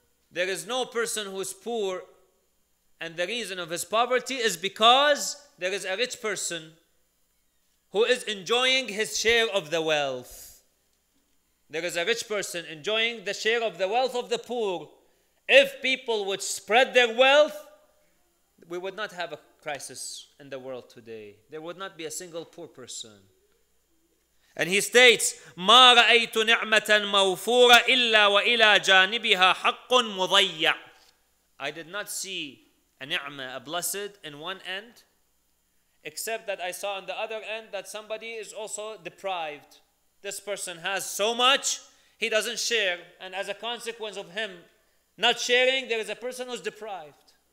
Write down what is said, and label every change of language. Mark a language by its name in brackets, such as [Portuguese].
[English] There is no person who is poor, and the reason of his poverty is because there is a rich person who is enjoying his share of the wealth. There is a rich person enjoying the share of the wealth of the poor. If people would spread their wealth, we would not have a crisis in the world today. There would not be a single poor person. And he states, [Arabic] ما رأيت نعمة موفورة إلا وإلى جانبها حق مضيع. [English] I did not see a ni'mah, a blessed, in one end, except that I saw on the other end that somebody is also deprived. This person has so much, he doesn't share. And as a consequence of him not sharing, there is a person who's deprived.